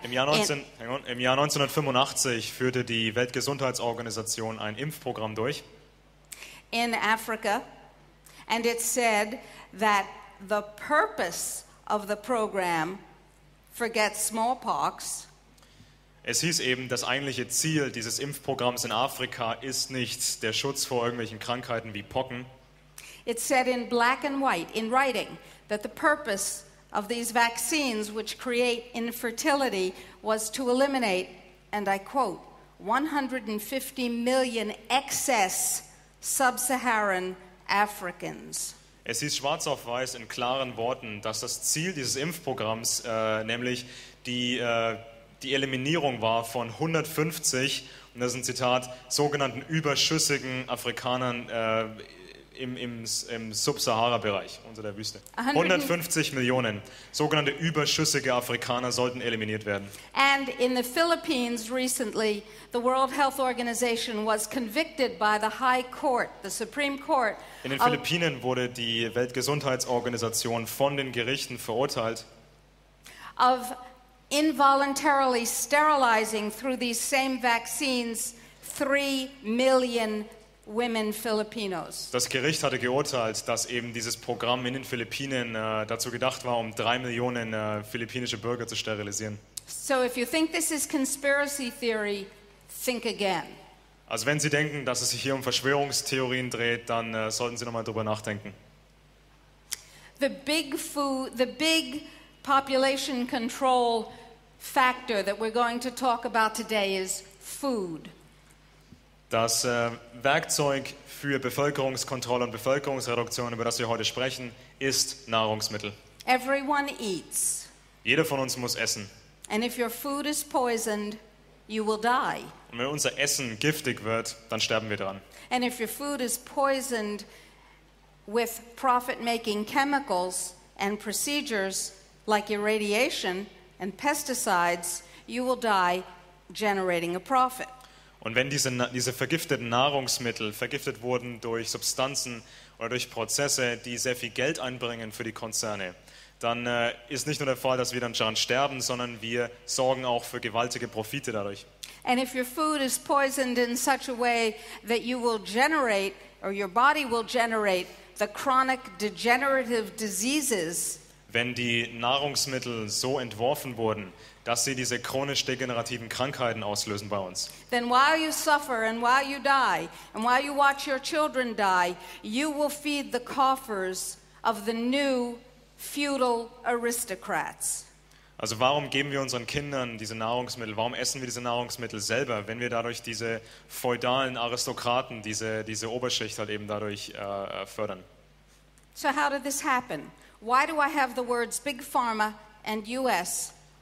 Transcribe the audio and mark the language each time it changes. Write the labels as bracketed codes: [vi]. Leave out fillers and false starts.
[de] Im Jahr 1985 führte die Weltgesundheitsorganisation ein Impfprogramm durch. [en] In Africa, and it said that the purpose of the program, forget smallpox. [de] Es hieß eben, das eigentliche Ziel dieses Impfprogramms in Afrika ist nicht der Schutz vor irgendwelchen Krankheiten wie Pocken. [en] It said in black and white, in writing, that the purpose of these vaccines which create infertility was to eliminate, and I quote, 150 million excess sub-Saharan Africans. [de] Es hieß schwarz auf weiß in klaren Worten, dass das Ziel dieses Impfprogramms, nämlich die Eliminierung war von 150, und das ist ein Zitat, sogenannten überschüssigen Afrikanern im Sub-Sahara-Bereich, unter der Wüste. 150 Millionen sogenannte überschüssige Afrikaner sollten eliminiert werden. [en] And in the Philippines recently, the World Health Organization was convicted by the High Court, the Supreme Court. [de] In den Philippinen wurde die Weltgesundheitsorganisation von den Gerichten verurteilt. [en] Of involuntarily sterilizing through these same vaccines 3 million women Filipinos. [de] Das Gericht hatte geurteilt, dass eben dieses Programm in den Philippinen dazu gedacht war, um 3 Millionen philippinische Bürger zu sterilisieren. [en] So if you think this is conspiracy theory, think again. [de] Also wenn Sie denken, dass es sich hier um Verschwörungstheorien dreht, dann sollten Sie nochmal drüber nachdenken. [en] The big population control factor that we're going to talk about today is food. [de] Das Werkzeug für Bevölkerungskontrolle und Bevölkerungsreduktion, über das wir heute sprechen, ist Nahrungsmittel. [en] Everyone eats. [de] Jeder von uns muss essen. [en] And if your food is poisoned, you will die. [de] Und wenn unser Essen giftig wird, dann sterben wir dran. [en] And if your food is poisoned with profit-making chemicals and procedures like irradiation and pesticides, you will die generating a profit. [de] Und wenn diese vergifteten Nahrungsmittel vergiftet wurden durch Substanzen oder durch Prozesse, die sehr viel Geld einbringen für die Konzerne, dann ist nicht nur der Fall, dass wir dann daran sterben, sondern wir sorgen auch für gewaltige Profite dadurch. [en] And if your food is poisoned in such a way that you will generate or your body will generate the chronic degenerative diseases. [de] Wenn die Nahrungsmittel so entworfen wurden, dass sie diese chronisch degenerativen Krankheiten auslösen bei uns. [en] Then while you suffer and while you die and while you watch your children die, you will feed the coffers of the new feudal aristocrats. [de] Also warum geben wir unseren Kindern diese Nahrungsmittel? Warum essen wir diese Nahrungsmittel selber, wenn wir dadurch diese feudalen Aristokraten, diese Oberschicht halt eben dadurch fördern? [en] So how did this happen? Why do I have the words Big Pharma and US